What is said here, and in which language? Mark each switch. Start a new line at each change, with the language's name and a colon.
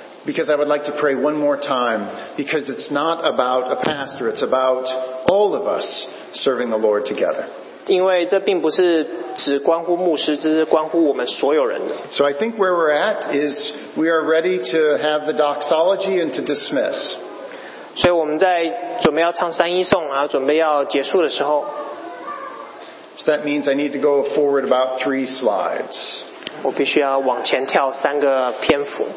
English: Because I would like to pray one more time, because it's not about a pastor, it's about all of us serving the Lord together.
Chinese: 因为这并不是只关乎牧师，这是关乎我们所有人的。
English: So I think where we're at is we are ready to have the doxology and to dismiss.
Chinese: 所以我们在准备要唱三一颂，然后准备要结束的时候。
English: So that means I need to go forward about three slides.
Chinese: 我必须要往前跳三个篇幅。